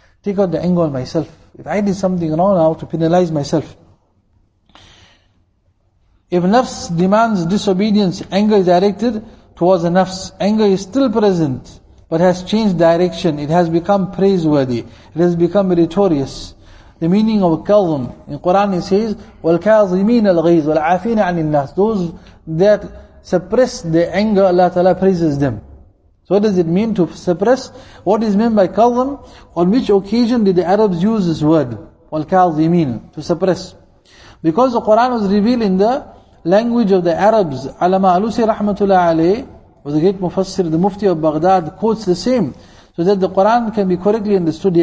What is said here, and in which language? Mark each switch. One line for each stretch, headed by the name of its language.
English: Take out the anger on myself. If I did something wrong now to penalize myself. If nafs demands disobedience, anger is directed towards the nafs. Anger is still present, but has changed direction. It has become praiseworthy. It has become meritorious. The meaning of kalzum. In Quran it says,
Arabic: وَالْكَاظِمِينَ الْغَيْزِ وَالْعَافِينَ عَنِ النَّاسِ.
English: Those that suppress the anger, Allah Ta'ala praises them. So what does it mean to suppress? What is meant by kalzum? On which occasion did the Arabs use this word? وَالْكَاظِمِينَ. To suppress. Because the Quran was revealed in the language of the Arabs, Alama Alusi Rahmatullah Alayhi, was the great Mufassir, the Mufti of Baghdad, quotes the same, so that the Quran can be correctly understood.